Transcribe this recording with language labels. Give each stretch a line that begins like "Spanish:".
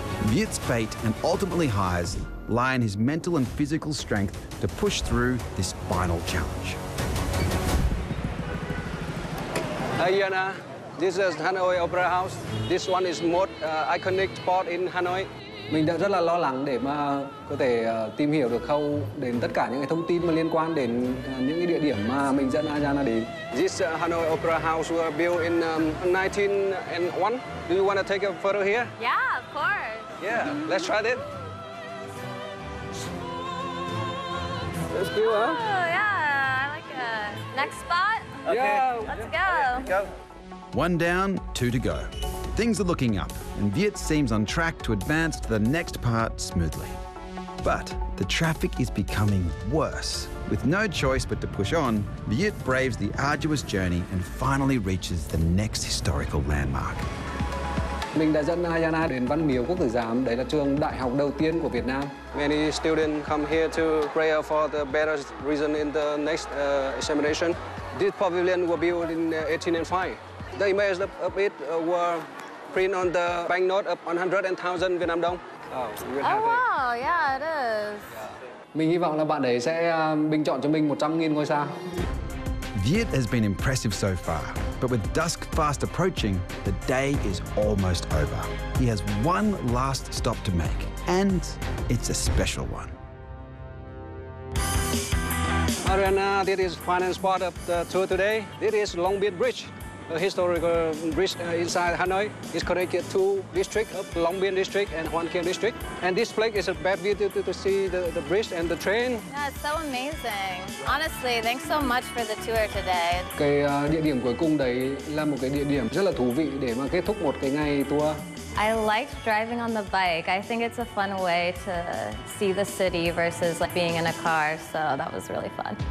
English: Viet's fate and ultimately Hai's lie in his mental and physical strength to push through this final challenge. Hi, Diana. This is Hanoi Opera House. This one is most iconic spot in Hanoi.
Vietnamese: Mình đã rất là lo lắng để mà có thể tìm hiểu được khâu đến tất cả những cái thông tin mà liên quan đến những cái địa điểm mà mình dẫn Ayana đến.
English: This Hanoi Opera House was built in 1901. Do you want to take a photo here? Yeah, of course. Yeah, let's try this. That's cool, huh? Oh, yeah, I like it. Next spot? Okay. Yeah. Let's go. Okay, go. One down, two to go. Things are looking up, and Viet seems on track to advance to the next part smoothly. But the traffic is becoming worse. With no choice but to push on, Viet braves the arduous journey and finally reaches the next historical landmark.
Vietnamese: Mình đã dẫn Ayana đến Văn Miếu Quốc Tử Giám, đấy là trường đại học đầu tiên của Việt Nam.
English: Many students come here to pray for the better reason in the next examination. This pavilion was built in 1805. The image of it were print on the banknote of 100,000 Vietnam đồng. Oh, wow, it. Yeah, it is. Yeah.
Vietnamese: Mình hy vọng là bạn ấy sẽ bình chọn cho mình 100,000 ngôi sao.
English: Viet has been impressive so far, but with dusk fast approaching, the day is almost over. He has one last stop to make, and it's a special one. Ariana, this is final spot of the tour today. This is Long Biên Bridge. A historical bridge inside Hanoi is connected to district of Long Biên district and Hoan Kiem district. And this place is a bad view to see the bridge and the train. Yeah, it's so amazing. Honestly, thanks so much for the tour today.
Vietnamese: Cái địa điểm cuối cùng đấy là một cái địa điểm rất là thú vị để mà kết thúc một cái ngày tour.
English: I like driving on the bike. I think it's a fun way to see the city versus like being in a car, so that was really fun.